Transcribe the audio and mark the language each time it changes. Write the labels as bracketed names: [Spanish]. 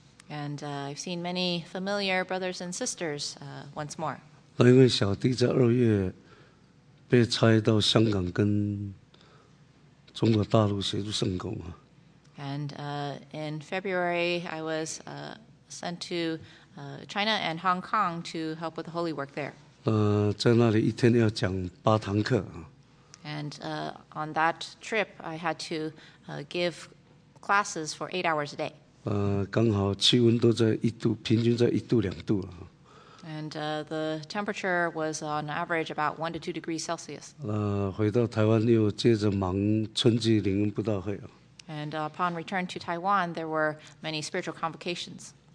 [English] And I've seen many familiar brothers and sisters once more. [Chinese] 那因为小弟在二月被差到香港跟中国大陆协助圣工啊。 [English] And in February, I was sent to China and Hong Kong to help with the holy work there. [Chinese] 在那里一天要讲八堂课。 [English] And on that trip, I had to give classes for 8 hours a day. [Chinese] 刚好气温都在一度，平均在一度两度了。 [English] And the temperature was on average about 1 to 2 degrees Celsius. [Chinese] 回到台湾又接着忙春季灵恩布道会啊。 [English] And upon return to Taiwan, there were many spiritual convocations.